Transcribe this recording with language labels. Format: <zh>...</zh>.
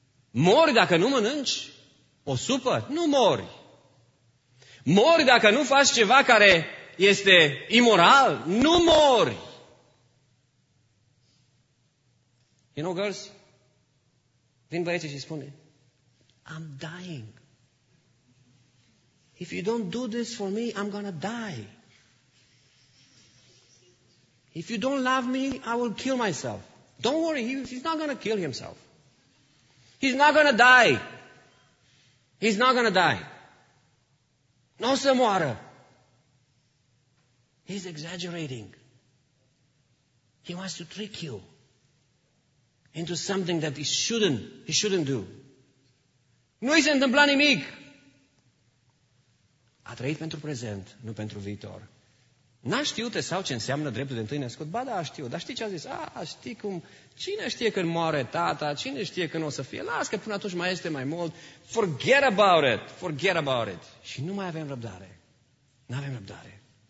<ro>Mori dacă nu mănânci o supă? Nu mori. Mori dacă nu faci ceva care este imoral? Nu mori.</ro> <en>You know, girls?</en> <ro>Vin băieții și spune,</ro> <en>I'm dying. If you don't do this for me, I'm gonna die. If you don't love me, I will kill myself. Don't worry, he's not gonna kill himself. He's not gonna die. He's not gonna die.</en> <ro>N-o să moară.</ro> <en>He's exaggerating. He wants to trick you into something that he shouldn't do.</en> <ro>Nu i se întâmpla nimic. A trăit pentru prezent, nu pentru viitor. N-a știut sau ce înseamnă dreptul de întâi născut? Ba da, știu. Dar știi ce a zis? Știi cum? Cine știe când moare tata? Cine știe când o să fie? Las că până atunci mai este mai mult.</ro> <en>Forget about it. Forget about it.</en> <ro>Și nu mai avem răbdare. Nu avem răbdare.</ro>